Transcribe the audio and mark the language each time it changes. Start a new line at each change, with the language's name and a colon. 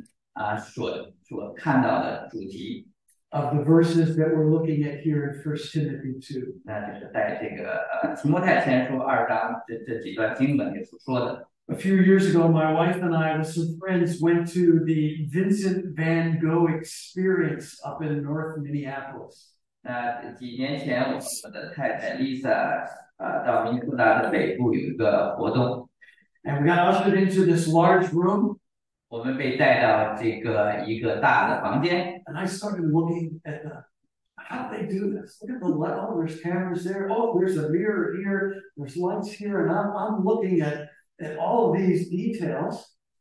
Chinese: 弟兄姐妹，当我们看到这些经文细节的时候，我们不要忘记这主要我们所看到的主题
English: of the verses that we're looking at here in 1 Timothy 2.
Chinese: 那就是在这个提摩太前书2章这几段经文里所说的。
English: A few years ago, my wife and I, with some friends, went to the Vincent Van Gogh Experience up in North Minneapolis.
Chinese: 几年前，我们的太太Lisa到明尼苏达的北部有一个活动。
English: And we got ushered into this large room.
Chinese: 我们被带到这个一个大的房间。
English: And I started looking at the, how do they do this? Look at the light. Oh, there's cameras there. Oh, there's a mirror here. There's lights here. And I'm looking at all of these details.